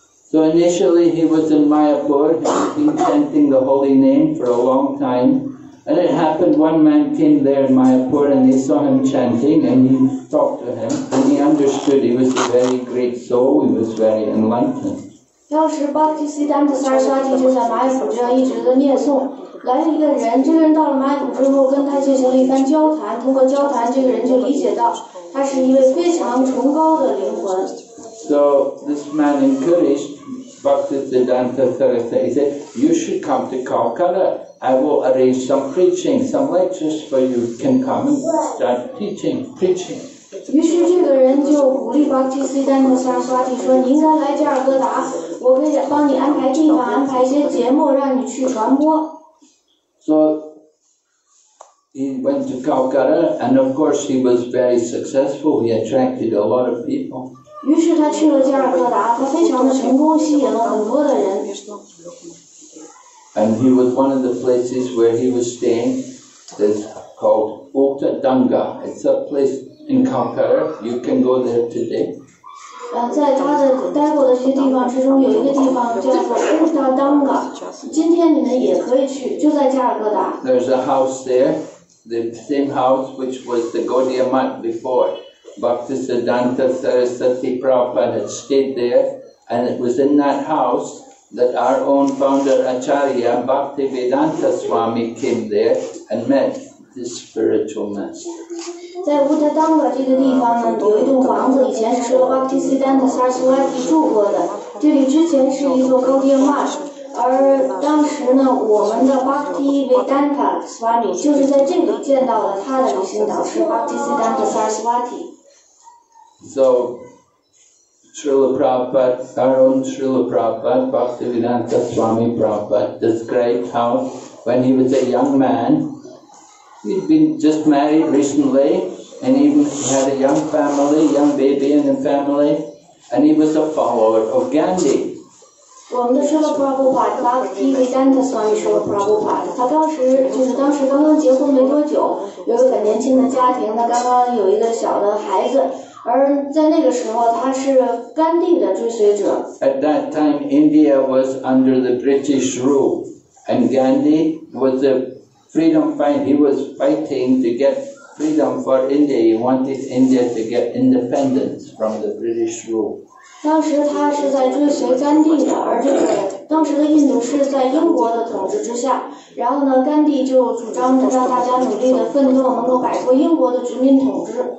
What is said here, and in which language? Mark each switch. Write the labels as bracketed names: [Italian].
[English] So initially he was in Mayapur, he had been chanting the holy name for a long time. And it happened one man came there in Mayapur and they saw him chanting and he talked to him and he understood he was a very great soul, he was very enlightened. [Chinese] 当时巴提西丹特萨尔斯瓦蒂就在马耶普这样一直的念诵，来了一个人，这个人到了马耶普之后跟他进行了一番交谈，通过交谈这个人就理解到他是一位非常崇高的灵魂。 [English] So this man encouraged Bhaktisiddhanta Sarasvati. He said, "You should come to Calcutta. I will arrange some preaching, some lectures for you. You can come and start preaching." [Chinese] 于是这个人就鼓励 Bhaktisiddhanta Sarasvati 说，你应该来加尔各答，我可以帮你安排地方，安排一些节目，让你去传播。 [English] So he went to Calcutta, and of course he was very successful. He attracted a lot of people. [Chinese] 于是他去了加尔各答，他非常的成功，吸引了很多的人。 [English] And he was one of the places where he was staying. It's called Uttadanga. It's a place in Calcutta. You can go there today. [Chinese] 在他的待过的这些地方之中，有一个地方叫做 Uttadanga。今天你们也可以去，就在加尔各答。 [English] There's a house there, the same house which was the Gaudiya Mutt before. Bhaktisiddhanta Sarasvati Prabhupada had stayed there, and it was in that house that our own founder Acharya Bhaktivedanta Swami came there and met his spiritual master. In Uttadanga, this place, there was a house that was Bhaktisiddhanta Sarasvati stayed here. This was before a Gaudiya Mutt, and at that time, our Bhaktivedanta Swami met his Bhaktisiddhanta Sarasvati. So, Srila Prabhupada, our own Srila Prabhupada, Bhaktivedanta Swami Prabhupada, described how when he was a young man, he'd been just married recently, and he had a young family, young baby in the family, and he was a follower of Gandhi. [Chinese] 我们的舍勒普拉布帕巴提维丹特斯瓦米舍勒普拉布帕，他当时就是当时刚刚结婚没多久，有一个很年轻的家庭，他刚刚有一个小的孩子，而在那个时候他是甘地的追随者。 [English] At that time, India was under the British rule, and Gandhi was a freedom fighter. He was fighting to get freedom for India. He wanted India to get independence from the British rule. [Chinese] 当时他是在追随甘地的，而这个当时的印度是在英国的统治之下。然后呢，甘地就主张着让大家努力的奋斗，能够摆脱英国的殖民统治。